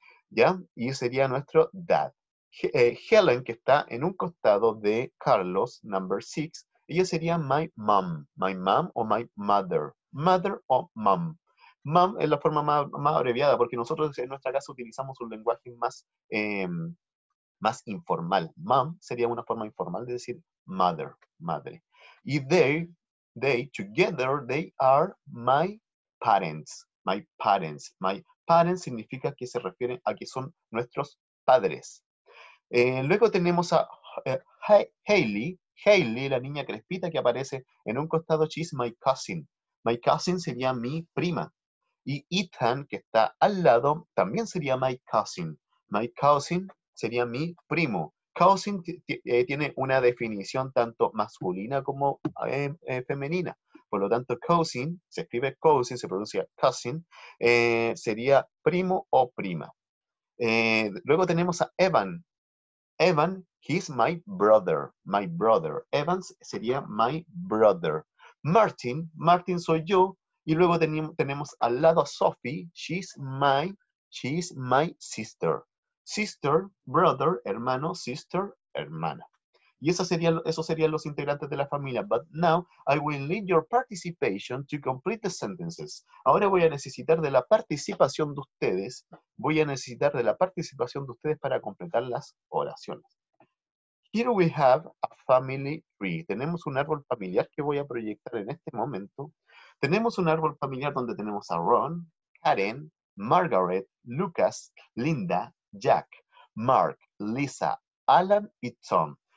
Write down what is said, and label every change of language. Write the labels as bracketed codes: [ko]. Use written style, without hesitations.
[es] ¿Ya? Y sería nuestro dad. Helen, que está en un costado de Carlos, number six, ella sería [en] my mom [es] o [en] my mother, [es] mother o mom. Mom es la forma más abreviada porque nosotros en nuestra casa utilizamos un lenguaje más informal. Mom sería una forma informal de decir mother, madre. [en] Y they together, they are my parents, my parents. [es] My parents significa que se refiere a que son nuestros padres. Luego tenemos a Hayley, la niña crespita que aparece en un costado. [en] She's my cousin. My cousin [es] sería mi prima. Y Ethan, que está al lado, también sería [en] my cousin. [es] My cousin sería mi primo. Cousin tiene una definición tanto masculina como femenina. Por lo tanto, cousin, se escribe cousin, se pronuncia cousin, sería primo o prima. Luego tenemos a Evan. [en] Evan, he's my brother, my brother. [es] Evans sería [en] my brother. [es] Martin soy yo. Y luego tenemos al lado a Sophie, [en] she's my sister. [es] Sister, brother, hermano, sister, hermana. Y esos serían los integrantes de la familia. [en] But now, I will need your participation to complete the sentences. [es] Ahora voy a necesitar de la participación de ustedes. Voy a necesitar de la participación de ustedes para completar las oraciones. [en] Here we have a family tree. [es] Tenemos un árbol familiar que voy a proyectar en este momento. Tenemos un árbol familiar donde tenemos a Ron, Karen, Margaret, Lucas, Linda, Jack, Mark, Lisa, Alan y Tom.